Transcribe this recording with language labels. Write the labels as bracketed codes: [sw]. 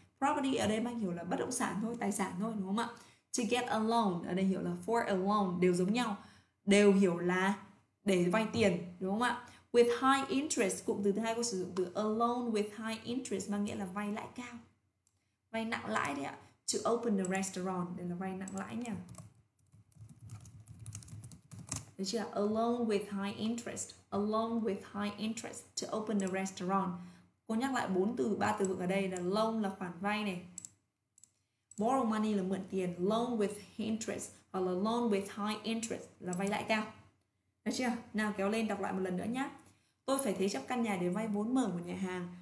[vi] Property ở đây mang hiểu là bất động sản thôi, tài sản thôi, đúng không ạ? [en] To get a loan [vi] ở đây hiểu là for a loan, đều giống nhau, đều hiểu là để vay tiền, đúng không ạ? With high interest, cụm từ thứ hai cô sử dụng từ [en] a loan with high interest [vi] mang nghĩa là vay lãi cao, vay nặng lãi đấy ạ. [en] To open a restaurant, [vi] đây là vay nặng lãi nha. Được chưa? [en] Alone with high interest. Alone with high interest to open a restaurant. [vi] Cô nhắc lại bốn từ, ba từ vựng ở đây là loan là khoản vay này. Borrow money là mượn tiền. Loan with interest hoặc là loan with high interest là vay lãi cao. Được chưa? Nào kéo lên đọc lại một lần nữa nhé. Tôi phải thế chấp căn nhà để vay vốn mở một nhà hàng.